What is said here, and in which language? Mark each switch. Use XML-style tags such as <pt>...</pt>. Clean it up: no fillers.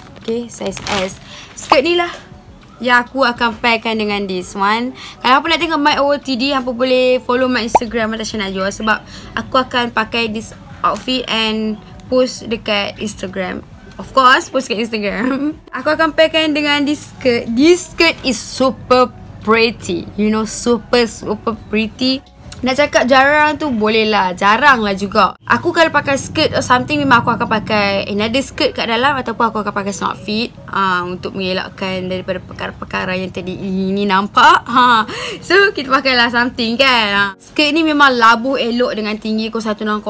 <ms>Okay, size S. Skirt ni lah yang aku akan pairkan dengan</ms> <en>this one.</en> <ms>Kalau apa nak tengok</ms> <en>my OOTD,</en> <ms>apa boleh follow my Instagram Tasha Najwa, sebab aku akan pakai</ms> <en>this outfit</en> <ms>and post dekat Instagram.</ms> <en>Of course, post dekat Instagram.</en> <ms>Aku akan pairkan dengan</ms> <en>this skirt. This skirt is super pretty. You know, super super pretty.</en> <ms>Nak cakap jarang tu boleh lah. Jarang lah juga. Aku kalau pakai skirt or something, memang aku akan pakai</ms> <en>another skirt</en> <ms>kat dalam, ataupun aku akan pakai smart fit untuk mengelakkan daripada perkara-perkara yang tadi ini nampak. So kita pakailah something kan. Skirt ni memang labu elok dengan tinggi 160.</ms>